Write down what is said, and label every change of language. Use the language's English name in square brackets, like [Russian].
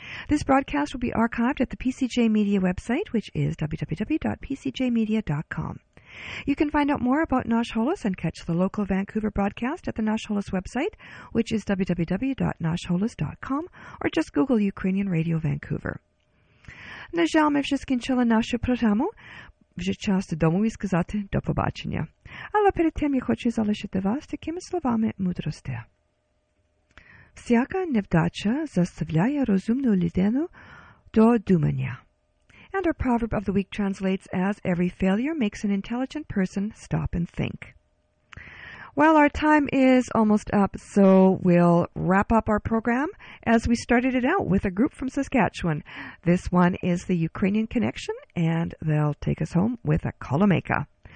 [English] This broadcast will be archived at the PCJ Media website, which is www.pcjmedia.com. You can find out more about Nash Holos and catch the local Vancouver broadcast at the Nash Holos website, which is www.nashholos.com, or just Google Ukrainian Radio Vancouver. [Ukrainian] На жаль, ми вже скінчили нашу програму. Вже час домові сказати до побачення. Але перед тим я хочу залишити вас такими словами мудрості. Всяка невдача заставляє розумну людину до думання. [English] And our proverb of the week translates as, every failure makes an intelligent person stop and think. Well, our time is almost up, so we'll wrap up our program as we started it out with a group from Saskatchewan. This one is the Ukrainian Connection, and they'll take us home with a Kolomeka.